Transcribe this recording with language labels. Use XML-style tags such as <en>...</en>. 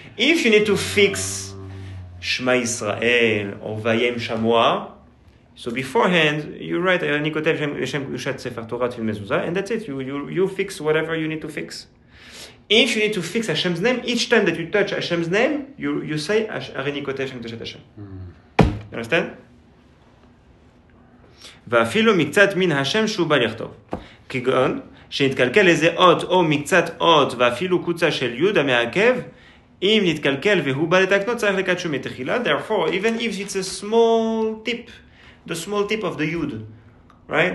<en>If you need to fix Shema Israel or Vayem Shamua, so beforehand you write</en> <he>Areni Kotev Hashem Kedushat Sefer Torah Tefillin Mezuzah,</he> <en>and that's it. You fix whatever you need to fix. If you need to fix Hashem's name each time that you touch Hashem's name, you say</en> <he>Areni Kotev Hashem Kedushat Hashem.</he> <en>You understand?</en> <he>ואפילו מקצת מן השם שהוא בא לכתוב. כגון, שנתקלקל איזה אות או מקצת אות ואפילו קוצה של יהודה מעכב, אם נתקלקל והוא בא לתקנות, צריך לקדשו מתחילה.</he> <en>Therefore, even if it's a small tip, the small tip of the yud, right?</en>